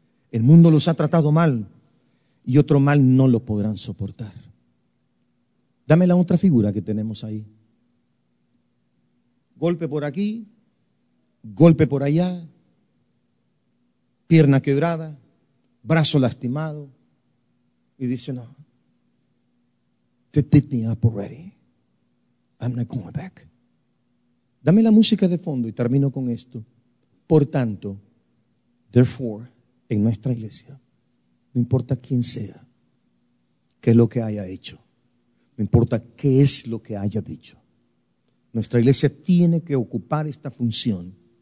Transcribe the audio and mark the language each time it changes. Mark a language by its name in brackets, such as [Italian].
[Spanish] El mundo los ha tratado mal y otro mal no lo podrán soportar. Dame la otra figura que tenemos ahí. Golpe por aquí, golpe por allá, pierna quebrada, brazo lastimado. Y dice, no, [English] they beat me up already. I'm not going back. [Spanish] Dame la música de fondo y termino con esto. Por tanto, therefore, en nuestra iglesia, no importa quién sea, qué es lo que haya hecho, no importa qué es lo que haya dicho, nuestra iglesia tiene que ocupar esta función.